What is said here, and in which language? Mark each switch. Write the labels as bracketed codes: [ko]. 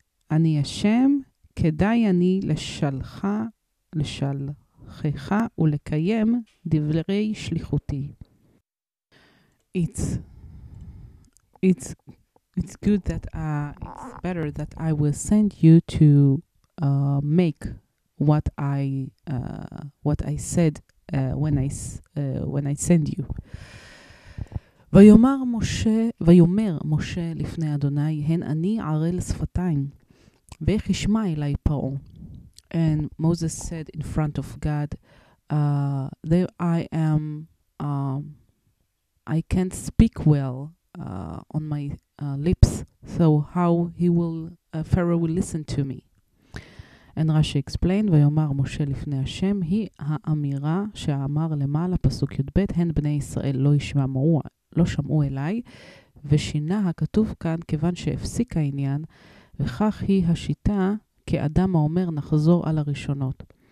[he] אני השם, כדאי אני לשלחך ולקיים דברי שליחותי. [en] It's good that it's better that I will send you to make what I said when I send you. [he] ויאמר משה לפני אדוני, הן אני ערל שפתיים, ואיך ישמע אליי פרעה. [en] And Moses said in front of God, I can't speak well on my lips, so how Pharaoh will listen to me. And Rashi explained, [he] ויאמר משה לפני השם, היא האמירה שאמר למעלה פסוק י' ב', הן בני ישראל לא שמעו אליי, ושינה הכתוב כאן כיוון שהפסיק העניין, וכך היא השיטה כאדם האומר נחזור על הראשונות.